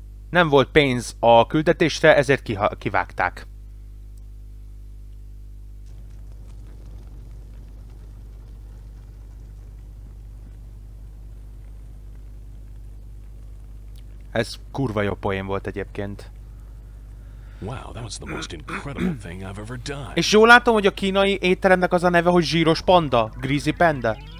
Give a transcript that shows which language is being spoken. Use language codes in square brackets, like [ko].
[hu] Nem volt pénz a küldetésre, ezért kivágták. Ez kurva jó poén volt egyébként. [en] Wow, that was the most incredible thing I've ever done. [hu] És jól látom, hogy a kínai étteremnek az a neve, hogy zsíros panda, Greasy Panda.